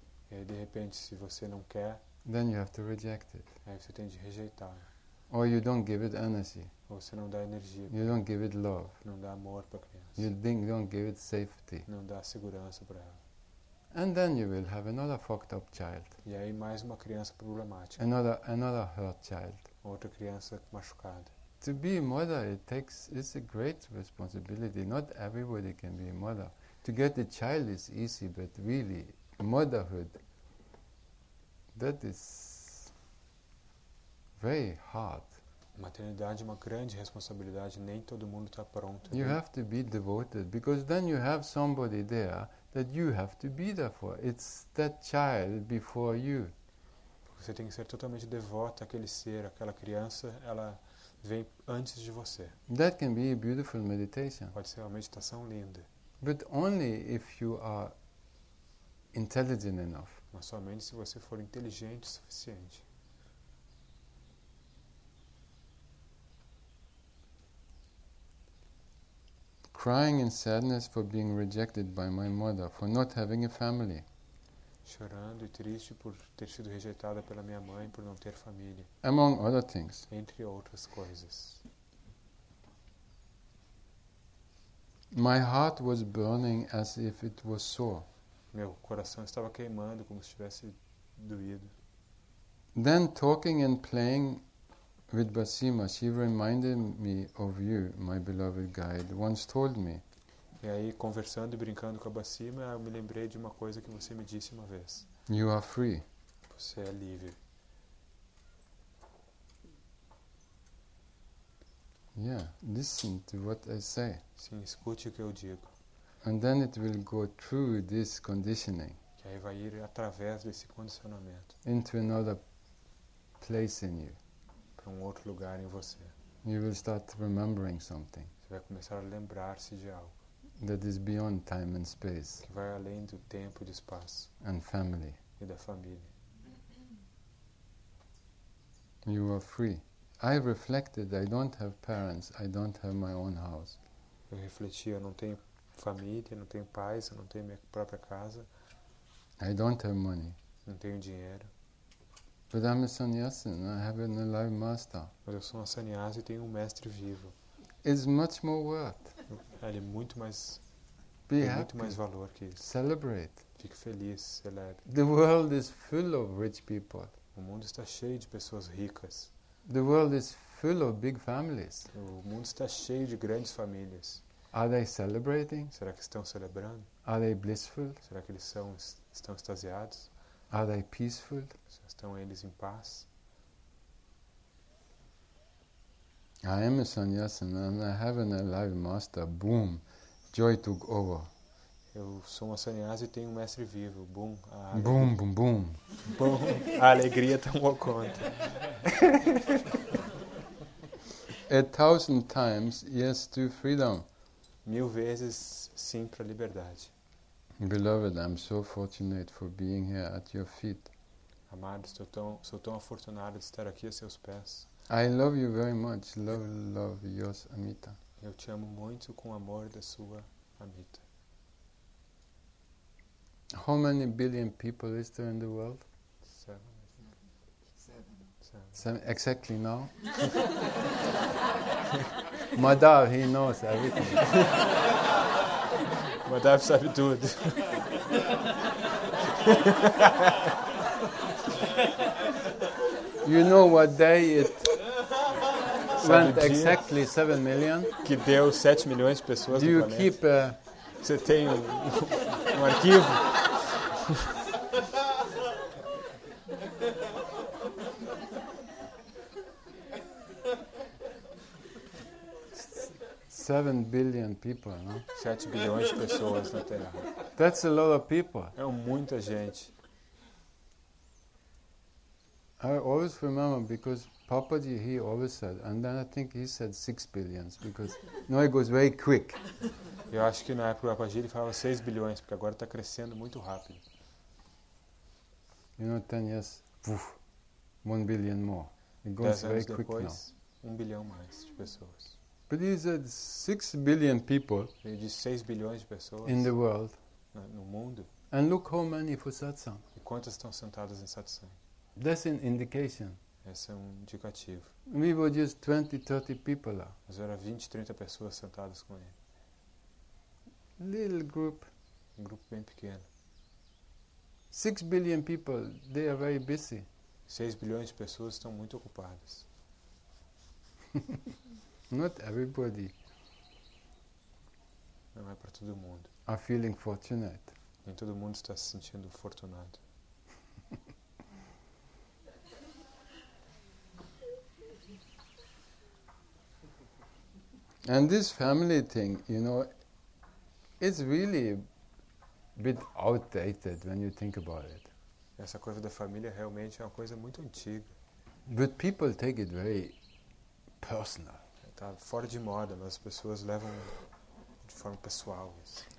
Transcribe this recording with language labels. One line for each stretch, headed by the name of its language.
Portuguese: e aí, de repente, se você não quer,
English: then you have to reject it.
Portuguese: Aí você tem de rejeitar.
English: Or you don't give it energy.
Portuguese: Ou você não dá energia.
English: You don't give it love.
Portuguese: Não dá amor para criança.
English: You don't give it safety.
Portuguese: Não dá segurança para ela.
English: And then you will have another fucked up child.
Portuguese: E aí mais uma criança problemática.
English: Another hurt child.
Portuguese: Outra criança machucada.
English: To be a mother, it's a great responsibility. Not everybody can be a mother. To get a child is easy, but really, motherhood, that is very hard.
Portuguese: Maternidade é uma grande responsabilidade, nem todo mundo está pronto.
English: You have to be devoted, because then you have somebody there that you have to be there for. It's that child before you.
Portuguese: Você tem que ser totalmente devoto àquele ser, àquela criança, ela vem antes de você.
English: That can be a beautiful meditation.
Portuguese: Pode ser uma meditação linda.
English: But only if you are intelligent enough.
Portuguese: Mas somente se você for inteligente o suficiente.
English: Crying in sadness for being rejected by my mother, for not having a family.
Portuguese: Chorando e triste por ter sido rejeitada pela minha mãe, por não ter família.
English: Among other things.
Portuguese: Entre outras coisas.
English: My heart was burning as if it was sore.
Portuguese: Meu coração estava queimando como se tivesse doído.
English: Then talking and playing with Basima, she reminded me of you, my beloved guide, once told me.
Portuguese: E aí, conversando e brincando com a Basima, eu me lembrei de uma coisa que você me disse uma vez.
English: You are free.
Portuguese: Você é livre.
English: Yeah, listen to what I say.
Portuguese: Sim, escute o que eu digo.
English: And then it will go through this conditioning.
Portuguese: Que aí vai ir através desse condicionamento.
English: Into another place in you.
Portuguese: Para um outro lugar em você.
English: You will start remembering something.
Portuguese: Você vai começar a lembrar-se de algo.
English: That is beyond time and space.
Portuguese: Que vai além do tempo e do espaço.
English: And family.
Portuguese: E da família.
English: You are free. I reflected, I don't have parents, I don't have my own house.
Portuguese: Eu refleti, eu não tenho família, não tenho pais, eu não tenho minha própria casa.
English: I don't have money.
Portuguese: Não tenho dinheiro.
English: But I'm a sannyasin, I have an alive master.
Portuguese: Mas eu sou uma sannyasi e tenho um mestre vivo.
English: It's much more worth.
Portuguese: Ele é muito mais,
English: be
Portuguese: tem
English: happy.
Portuguese: Muito mais valor que isso.
English: Celebrate.
Portuguese: Fique feliz, celebre.
English: The world is full of rich people.
Portuguese: O mundo está cheio de pessoas ricas.
English: The world is full of big families.
Portuguese: O mundo está cheio de grandes famílias.
English: Are they celebrating?
Portuguese: Será que estão celebrando?
English: Are they blissful?
Portuguese: Será que eles estão extasiados?
English: Are they peaceful?
Portuguese: Estão eles em paz?
English: I am a sannyasin and I have an alive master. Boom. Joy took over.
Portuguese: Eu sou uma sannyasi e tenho um mestre vivo. Boom. Boom, boom, boom. Boom. A alegria tomou conta.
English: A 1,000 times yes to freedom.
Portuguese: Mil vezes sim para a liberdade.
English: Beloved, I'm so fortunate for being here at your feet.
Portuguese: Amado, sou tão afortunado de estar aqui a seus pés.
English: I love you very much. Love yours, Amita.
Portuguese: Eu te amo muito com o amor da sua Amita.
English: How many billion people is there in the world? Seven. Exactly now. Madhav, he knows everything.
Portuguese: Madhav sabe tudo.
English: You know what day it went exactly 7 million?
Portuguese: Que deu 7 milhões de pessoas.
English: Do
Portuguese: no
English: you
Portuguese: planeta.
English: Keep a...
Portuguese: Você tem um arquivo?
English: Seven billion people, no?
Portuguese: 7 bilhões de pessoas na Terra.
English: That's a lot of people.
Portuguese: É muita gente.
English: I always remember because Papaji, he always said, and then I think he said 6 billions, because now it goes very quick.
Portuguese: Eu acho que na época do Papaji ele falava 6 bilhões, porque agora está crescendo muito rápido.
English: You know, 10 years, 1 billion more. It goes very quick
Portuguese: depois,
English: now.
Portuguese: 1 bilhão mais de pessoas.
English: But he said 6 billion people.
Portuguese: Ele disse 6 bilhões de pessoas.
English: In the world.
Portuguese: No mundo.
English: And look how many for satsang.
Portuguese: E quantas estão sentadas em satsang?
English: That's an indication.
Portuguese: Esse é um indicativo.
English: We were just 20, 30 people lá.
Portuguese: Mas era 20, 30 pessoas sentadas com ele.
English: Little group.
Portuguese: Um grupo bem pequeno.
English: 6 billion people, they are very busy.
Portuguese: 6 bilhões de pessoas estão muito ocupadas.
English: Not everybody.
Portuguese: Não é para todo mundo.
English: I'm feeling fortunate.
Portuguese: Nem todo mundo está se sentindo fortunado.
English: And this family thing, you know, it's really a bit outdated when you think about it.
Portuguese: Essa coisa da família realmente é uma coisa muito antiga.
English: But people take it very personal.
Portuguese: Está fora de moda, mas as pessoas levam de forma pessoal isso.